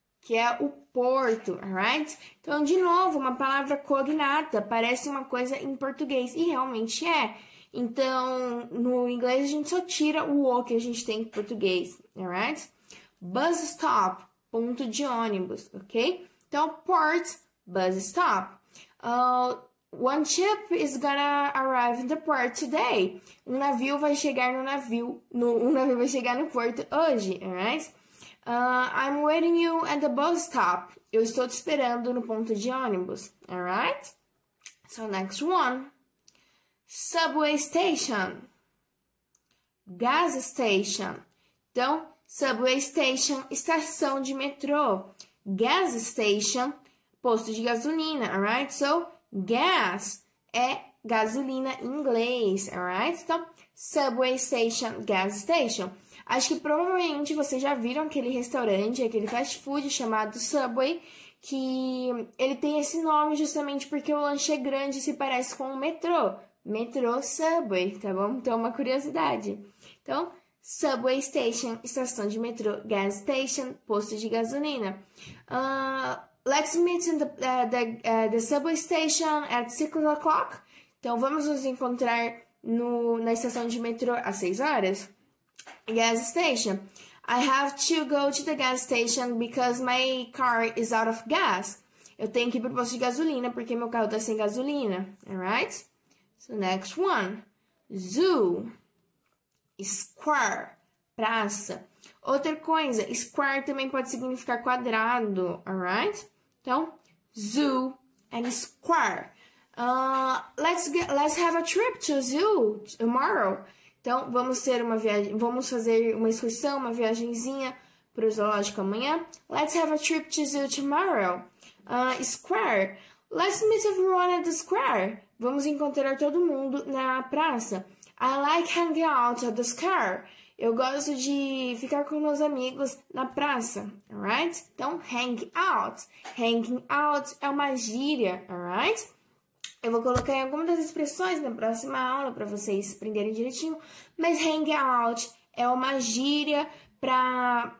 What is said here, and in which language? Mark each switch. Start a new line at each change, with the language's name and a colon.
Portuguese: Que é o porto, alright? Então, de novo, uma palavra cognata, parece uma coisa em português, e realmente é. Então, no inglês, a gente só tira o O que a gente tem em português, alright? Bus stop, ponto de ônibus, ok?
English: Então, port, bus stop. One ship is gonna arrive in the port today.
Portuguese: Um navio vai chegar no porto hoje, alright?
English: I'm waiting you at the bus stop.
Portuguese: Eu estou te esperando no ponto de ônibus.
English: Alright? So, next one. Subway station. Gas station.
Portuguese: Então, subway station, estação de metrô. Gas station, posto de gasolina. Alright? So, gas é gasolina em inglês.
English: Alright? Então, subway station, gas station.
Portuguese: Acho que provavelmente vocês já viram aquele restaurante, aquele fast food chamado Subway, que ele tem esse nome justamente porque o lanche é grande e se parece com o metrô. Metrô Subway, tá bom? Então, uma curiosidade. Então, Subway Station, estação de metrô, gas station, posto de gasolina.
English: Let's meet in the Subway Station at 6 o'clock.
Portuguese: Então, vamos nos encontrar no, na estação de metrô às 6 horas.
English: Gas station. I have to go to the gas station because my car is out of gas.
Portuguese: Eu tenho que ir pro posto de gasolina porque meu carro tá sem gasolina.
English: Alright? So, next one. Zoo. Square. Praça.
Portuguese: Outra coisa, square também pode significar quadrado.
English: Alright? Então, zoo and square. Let's have a trip to zoo tomorrow.
Portuguese: Então, vamos fazer uma excursão, uma viagenzinha para o zoológico amanhã.
English: Let's have a trip to zoo tomorrow. Square. Let's meet everyone at the square.
Portuguese: Vamos encontrar todo mundo na praça.
English: I like hanging out at the square.
Portuguese: Eu gosto de ficar com meus amigos na praça, alright? Então, hang out. Hanging out é uma gíria, alright? Eu vou colocar em algumas das expressões na próxima aula para vocês aprenderem direitinho. Mas hangout é uma gíria para.